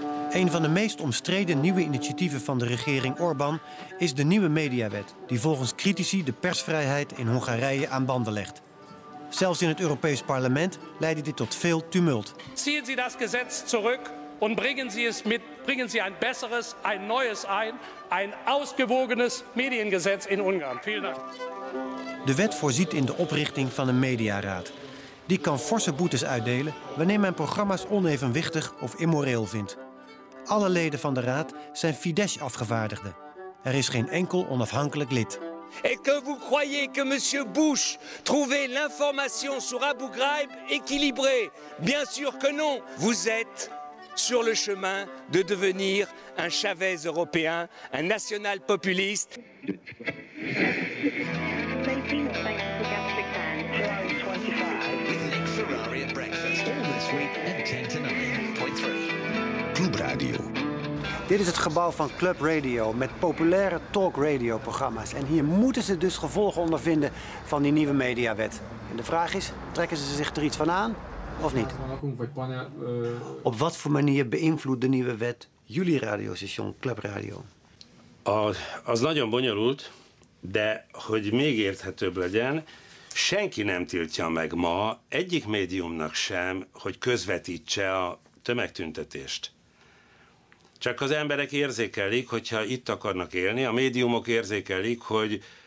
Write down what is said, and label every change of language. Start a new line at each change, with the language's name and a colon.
Dutch: Een van de meest omstreden nieuwe initiatieven van de regering Orbán is de nieuwe mediawet, die volgens critici de persvrijheid in Hongarije aan banden legt. Zelfs in het Europees Parlement leidde dit tot veel tumult.
German: Ziehen Sie das Gesetz zurück und bringen Sie es mit, bringen Sie ein besseres, ein neues ein, ein ausgewogenes Mediengesetz in Ungarn. Vielen Dank.
Dutch: De wet voorziet in de oprichting van een mediaraad. Die kan forse boetes uitdelen wanneer men programma's onevenwichtig of immoreel vindt. Alle leden van de raad zijn Fidesz-afgevaardigden. Er is geen enkel onafhankelijk lid.
French: Et que vous croyez que monsieur Bush trouvait l'information sur Abu Ghraib équilibrée? Bien sûr que non. Vous êtes sur le chemin de devenir un Chavez européen, un national populiste.
Dutch: Radio. Dit is het gebouw van Club Radio met populaire talk radio programma's. En hier moeten ze dus gevolgen ondervinden van die nieuwe mediawet. En de vraag is, trekken ze zich er iets van aan of niet? Op wat voor manier beïnvloedt de nieuwe wet jullie radiostation Club Radio?
Hungarian: Az nagyon bonyolult, de hogy még érthetőbb legyen, senki nem tiltja meg ma egyik médiumnak sem, hogy közvetítse a tömegtüntetést. Csak az emberek érzékelik, hogyha itt akarnak élni, a médiumok érzékelik, hogy